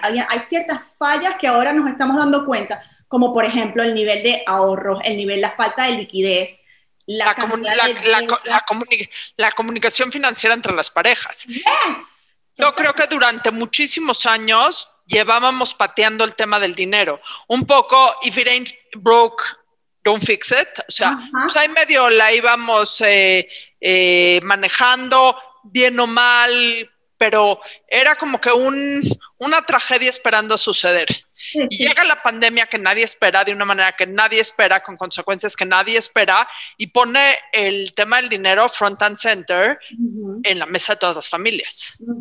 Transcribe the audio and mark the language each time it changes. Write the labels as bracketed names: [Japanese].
[Spanish] Hay ciertas fallas que ahora nos estamos dando cuenta, como por ejemplo el nivel de ahorros, la falta de liquidez. La comunicación financiera entre las parejas. [English] ¡Yes! [Spanish] Yo creo que durante muchísimos años llevábamos pateando el tema del dinero. Un poco, [English] if it ain't broke, don't fix it. [Spanish] O sea, pues ahí medio la íbamos manejando bien o mal, pero era como que una tragedia esperando a suceder. Sí, sí. Y llega la pandemia que nadie espera, de una manera que nadie espera, con consecuencias que nadie espera, y pone el tema del dinero [English] front and center [Spanish] en la mesa de todas las familias.